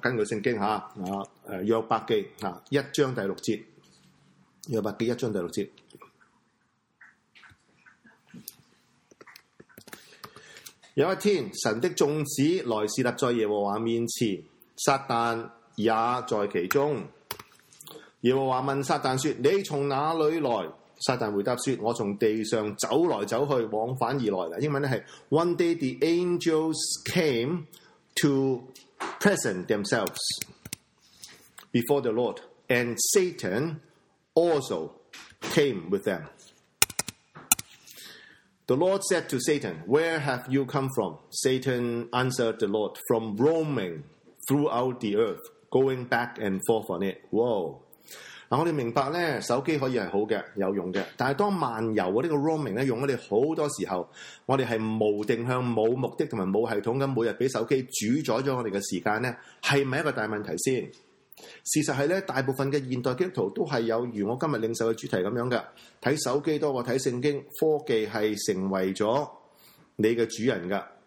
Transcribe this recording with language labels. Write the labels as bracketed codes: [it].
[zh] 根据圣经下，约伯记一章第六节，约伯记一章第六节，有一天神的众子来侍立在耶和华面前，撒旦也在其中。耶和华问撒旦说，你从哪里来？撒旦回答说，我从地上走来走去，往返而来。英文是 [en] One day the angels came to present themselves before the Lord and Satan also came with them。 The Lord said to Satan, Where have you come from? Satan answered the Lord, From roaming throughout the earth, going back and forth on it. Wow. [zh] 我们明白呢，手机可以是好的，有用的。但是当漫游这个 roaming 用我们很多时候，我们是无定向、无目的和无系统的，每日被手机主宰了我们的时间呢，是不是一个大问题先？事实是呢，大部分的现代基督徒都是有如我今天领受的主题这样的，看手机多过看圣经，科技是成为了你的主人的。